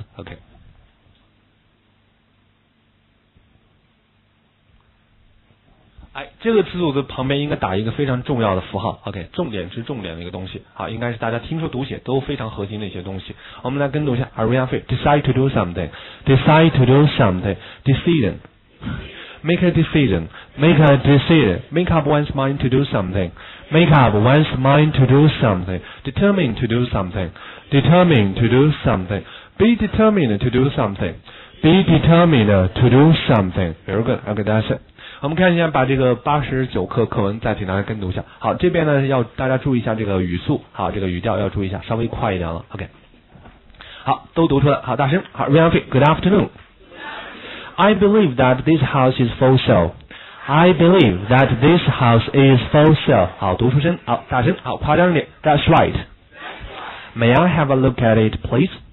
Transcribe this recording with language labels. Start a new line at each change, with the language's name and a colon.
Chinese: OK， 哎，这个词组的旁边应该打一个非常重要的符号。 OK， 重点之重点的一个东西，好，应该是大家听说读写都非常核心的一些东西。我们来跟读一下
English: Harianfi， decide to do something， decide to do something， decision，Make a decision, make a decision, make up one's mind to do something, make up one's mind to do something, determine to do something, determine to do something, be determined to do something, be determined to do something. Very good, I'll get that set.
Chinese: 我们看一下，把这个89课课文再请大家跟读一下。好，这边呢要大家注意一下这个语速，好，这个语调要注意一下，稍微快一点了。
English: OK，
Chinese: 好，都读出来，好，大声，好
English: ，Good afternoon。I believe that this house is for sale. I believe that this house is for sale.
Chinese: 好，读出声，好，大声，好，夸张点。
English: That's right. May I have a look at it, please?